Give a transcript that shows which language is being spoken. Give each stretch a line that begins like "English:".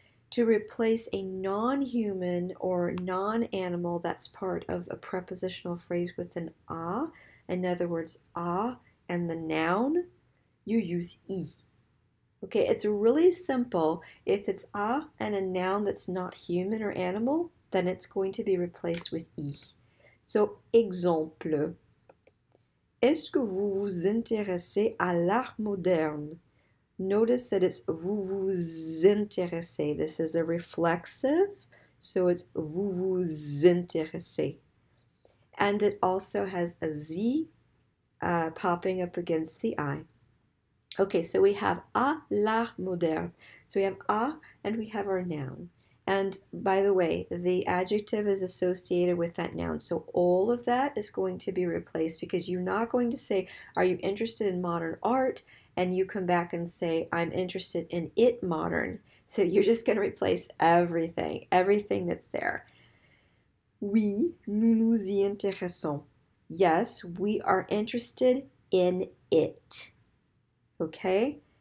English: To replace a non-human or non-animal that's part of a prepositional phrase with an a, in other words, a and the noun, you use i. Okay, it's really simple. If it's a and a noun that's not human or animal, then it's going to be replaced with i.
French: So, exemple. Est-ce que vous vous intéressez à l'art moderne?
English: Notice that it's
French: vous vous intéressez.
English: This is a reflexive, so it's vous vous intéressez. And it also has a Z popping up against the I. Okay, so we have
French: à l'art moderne.
English: So we have à and we have our noun. And by the way, the adjective is associated with that noun. So all of that is going to be replaced because you're not going to say, are you interested in modern art? And you come back and say, I'm interested in it modern. So you're just going to replace everything, everything that's there.
French: Oui, nous nous y intéressons.
English: Yes, we are interested in it. Okay?